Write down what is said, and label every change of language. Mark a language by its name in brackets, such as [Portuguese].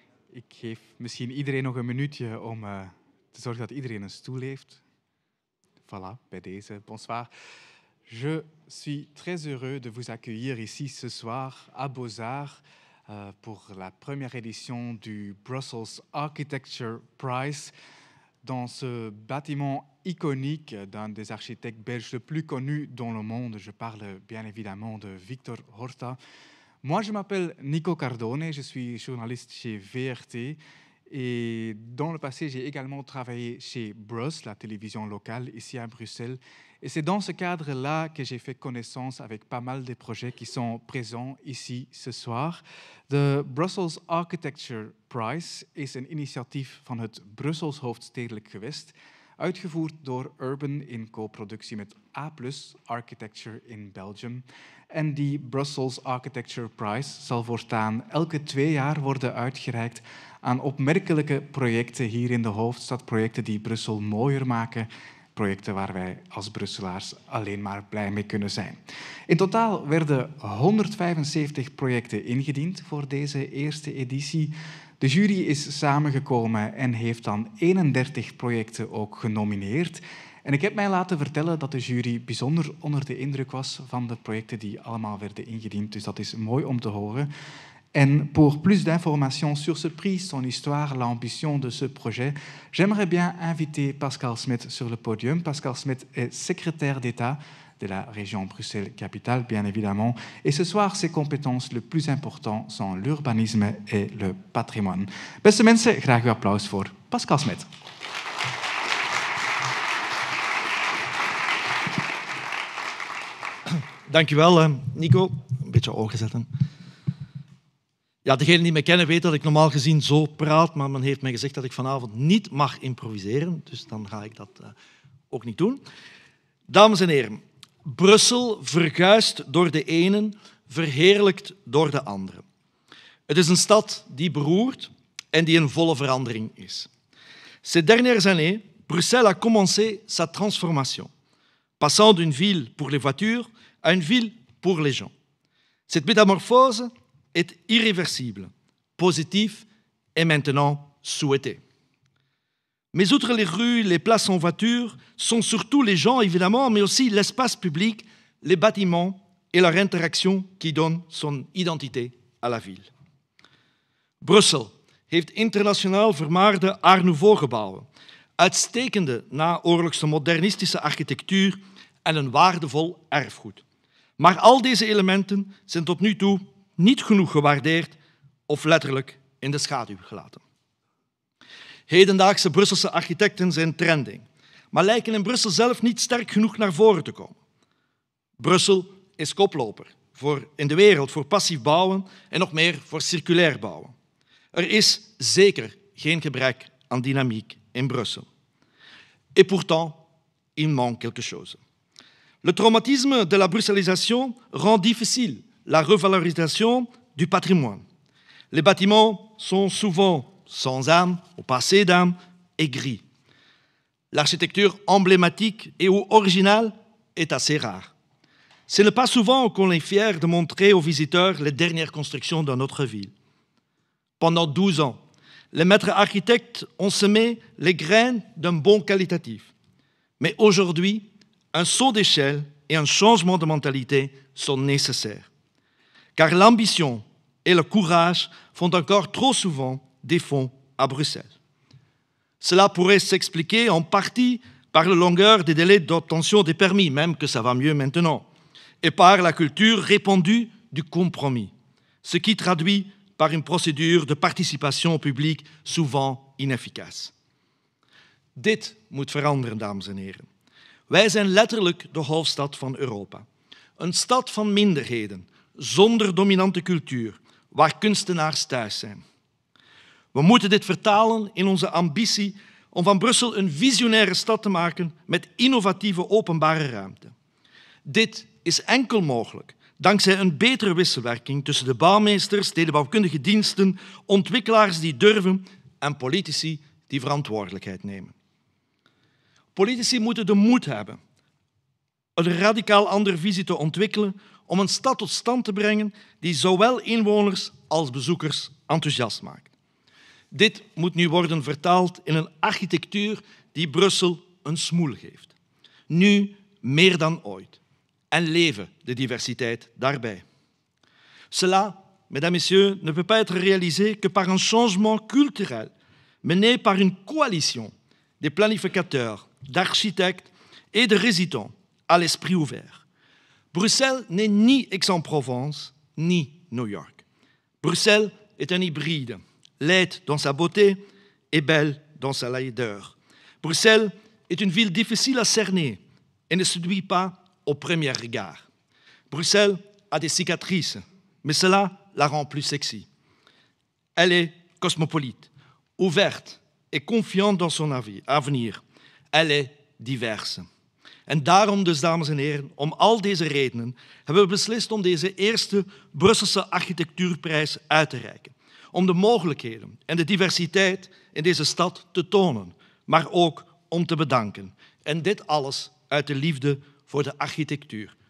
[Dutch] Ik geef misschien iedereen nog een minuutje om te zorgen dat iedereen een stoel heeft. Voilà, bij deze. Bonsoir. [French] Je suis très heureux de vous accueillir ici ce soir à Beaux-Arts pour la première édition du Brussels Architecture Prize dans ce bâtiment iconique d'un des architectes belges les plus connus dans le monde. Je parle bien évidemment de Victor Horta. Moi, je m'appelle Nico Cardone, je suis journaliste chez VRT et dans le passé, j'ai également travaillé chez Brus, la télévision locale ici à Bruxelles. Et c'est dans ce cadre-là que j'ai fait connaissance avec pas mal des projets qui sont présents ici ce soir. [Dutch] The Brussels Architecture Prize is een initiatief van het Brussels Hoofdstedelijk Gewest, uitgevoerd door Urban in co-productie met A+ Architecture in Belgium. En die Brussels Architecture Prize zal voortaan elke twee jaar worden uitgereikt aan opmerkelijke projecten hier in de hoofdstad, projecten die Brussel mooier maken, projecten waar wij als Brusselaars alleen maar blij mee kunnen zijn. In totaal werden 175 projecten ingediend voor deze eerste editie. De jury is samengekomen en heeft dan 31 projecten ook genomineerd. En ik heb mij laten vertellen dat de jury bijzonder onder de indruk was van de projecten die allemaal werden ingediend. Dus dat is mooi om te horen. [French] En pour plus d'informations sur ce prix, son histoire, l'ambition de ce projet, j'aimerais bien inviter Pascal Smet sur le podium. Pascal Smet est secrétaire d'État de la région Bruxelles-Capitale, bien évidemment. Et ce soir, ses compétences les plus importantes sont l'urbanisme et le patrimoine. [Dutch] Beste mensen, graag uw applaus voor Pascal Smet. Dankjewel, Nico. Een beetje ogen zetten. Ja, degenen die mij kennen weten dat ik normaal gezien zo praat, maar men heeft mij gezegd dat ik vanavond niet mag improviseren, dus dan ga ik dat ook niet doen. Dames en heren, Brussel verguist door de enen, verheerlijkt door de anderen. Het is een stad die beroert en die in volle verandering is. [French] Ces dernières années, Bruxelles a commencé sa transformation, passant d'une ville pour les voitures à une ville pour les gens. Cette métamorphose est irréversible, positif et maintenant souhaité. Mais outre les rues, les places en voiture, sont surtout les gens, évidemment, mais aussi l'espace public, les bâtiments et leur interaction qui donnent son identité à la ville. [Dutch] Brussel heeft internationaal vermaarde Art Nouveau gebouwen, uitstekende naoorlogse modernistische architectuur en een waardevol erfgoed. Maar al deze elementen zijn tot nu toe niet genoeg gewaardeerd of letterlijk in de schaduw gelaten. Hedendaagse Brusselse architecten zijn trending, maar lijken in Brussel zelf niet sterk genoeg naar voren te komen. Brussel is koploper voor in de wereld voor passief bouwen en nog meer voor circulair bouwen. Er is zeker geen gebrek aan dynamiek in Brussel. [French] Et pourtant, il manque quelque chose. Le traumatisme de la bruxellisation rend difficile la revalorisation du patrimoine. Les bâtiments sont souvent sans âme, ou pas assez d'âme, et gris. L'architecture emblématique et ou originale est assez rare. Ce n'est pas souvent qu'on est fier de montrer aux visiteurs les dernières constructions de notre ville. Pendant 12 ans, les maîtres architectes ont semé les graines d'un bon qualitatif. Mais aujourd'hui, un saut d'échelle et un changement de mentalité sont nécessaires. Car l'ambition et le courage font encore trop souvent défaut à Bruxelles. Cela pourrait s'expliquer en partie par la longueur des délais d'obtention des permis, même que ça va mieux maintenant, et par la culture répandue du compromis, ce qui traduit par une procédure de participation au public souvent inefficace. [Dutch] Dit moet veranderen, dames en heren. Wij zijn letterlijk de hoofdstad van Europa. Een stad van minderheden, zonder dominante cultuur, waar kunstenaars thuis zijn. We moeten dit vertalen in onze ambitie om van Brussel een visionaire stad te maken met innovatieve openbare ruimte. Dit is enkel mogelijk dankzij een betere wisselwerking tussen de bouwmeesters, stedenbouwkundige diensten, ontwikkelaars die durven en politici die verantwoordelijkheid nemen. Politici moeten de moed hebben een radicaal andere visie te ontwikkelen om een stad tot stand te brengen die zowel inwoners als bezoekers enthousiast maakt. Dit moet nu worden vertaald in een architectuur die Brussel een smoel geeft. Nu meer dan ooit. En leven de diversiteit daarbij. [French] Cela, mesdames, messieurs, ne peut pas être réalisé que par un changement culturel mené par une coalition des planificateurs, d'architectes et de résidents à l'esprit ouvert. Bruxelles n'est ni Aix-en-Provence, ni New York. Bruxelles est un hybride, laide dans sa beauté et belle dans sa laideur. Bruxelles est une ville difficile à cerner et ne séduit pas au premier regard. Bruxelles a des cicatrices, mais cela la rend plus sexy. Elle est cosmopolite, ouverte et confiante dans son avenir. Elle est diverse. [Dutch] En daarom, dus dames en heren, om al deze redenen, hebben we beslist om deze eerste Brusselse architectuurprijs uit te reiken. Om de mogelijkheden en de diversiteit in deze stad te tonen, maar ook om te bedanken. En dit alles uit de liefde voor de architectuur.